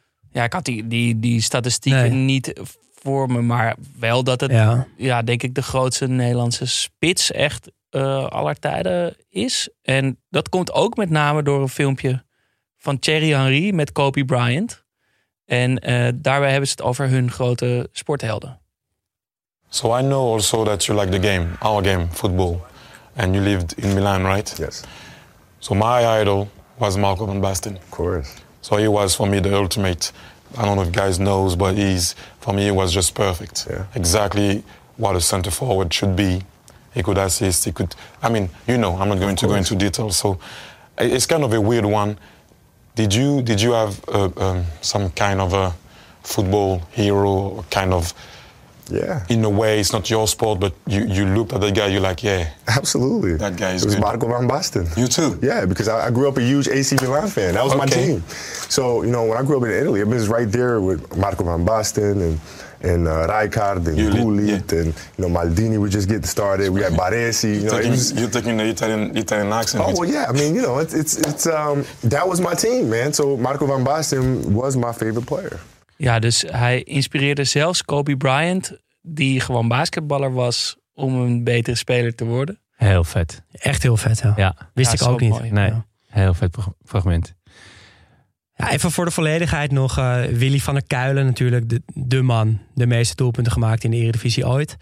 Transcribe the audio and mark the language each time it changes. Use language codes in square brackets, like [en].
[nl] Ja, ik had die statistieken niet voor me, maar wel dat het denk ik de grootste Nederlandse spits echt aller tijden is. En dat komt ook met name door een filmpje van Thierry Henry met Kobe Bryant. En daarbij hebben ze het over hun grote sporthelden. [en] So I know also that you like the game, our game, football. And you lived in Milan, right? Yes. So my idol was Marco van Basten. Of course. So he was for me the ultimate. I don't know if guys knows, but he's, for me, it was just perfect. Yeah. Exactly what a center forward should be. He could assist, he could, I mean, I'm not going to go into detail. So it's kind of a weird one. Did you have some kind of a football hero, kind of, in a way, it's not your sport, but you looked at the guy, you're like, yeah. Absolutely. That guy is good. It was Marco van Basten. You too? Yeah, because I grew up a huge AC Milan fan. That was my team. So, when I grew up in Italy, I was right there with Marco van Basten and Rijkaard and Gullit and, Maldini would just get started. We had Baresi. You're taking the Italian accent. Oh, well, yeah. I mean, it's that was my team, man. So Marco van Basten was my favorite player. [nl] Ja, dus hij inspireerde zelfs Kobe Bryant, die gewoon basketballer was, om een betere speler te worden. Heel vet. Echt heel vet, hè? Ja. Wist ja, ik ook niet. Mooi. Nee, heel vet fragment. Ja, even voor de volledigheid nog, Willy van der Kuilen natuurlijk, de man, de meeste doelpunten gemaakt in de Eredivisie ooit.